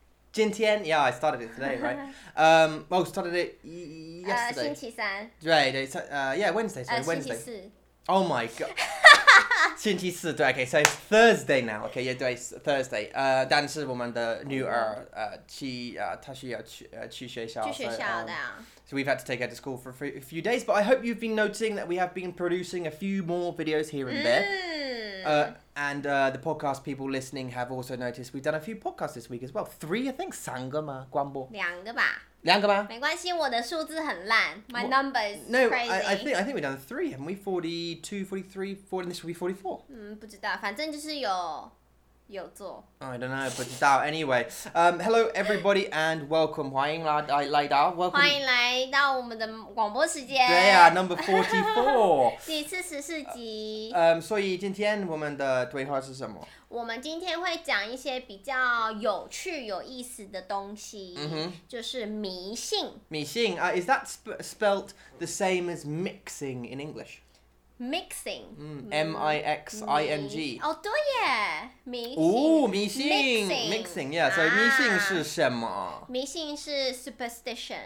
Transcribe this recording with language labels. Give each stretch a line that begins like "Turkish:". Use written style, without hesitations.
Chinese: 今天
English: ，Yeah, I started it today, right? well, started it yesterday.
Chinese: 星期三。对对，
English: yeah, Wednesday, sorry, Wednesday.
Chinese: 星期四。
English: Oh my god.
Chinese: 星期四，对
English: ，OK, so Thursday now, OK, yeah, 对 ，Thursday.
Chinese: 但是我们的女儿，她需要去学校，去学校的。
English: So we've had to take her to school for a few days, but I hope you've been noticing that we have been producing a few more videos here and there. And the podcast people listening have also noticed we've done a few podcasts this week as well. Three, I think,
Chinese: 三个吗？广播。两个吧。两个吧。没关系，我的数字很烂。
English: My number is crazy. No, I think we've done three, haven't we? 42, 43, 40, and this will be 44.
Chinese: 不知道，反正就是有做。
English: I don't know,
Chinese: 不知道。
English: Anyway, hello everybody and welcome.
Chinese: 欢迎来到。欢迎来到我们的广播时间。对啊，
English: number 44.
Chinese: 第44集。所以今天我们的对话是什么？我们今天会讲一些比较有趣、有意思的东西，mm-hmm. 就是迷信。迷信，
English: is that spelt the same as mixing in English? Mixing. M-I-X-I-N-G.
Chinese: 哦，对耶，迷信。哦，迷信。
English: Mixing, yeah. So
Chinese: 迷信是什么？迷信是
English: superstition.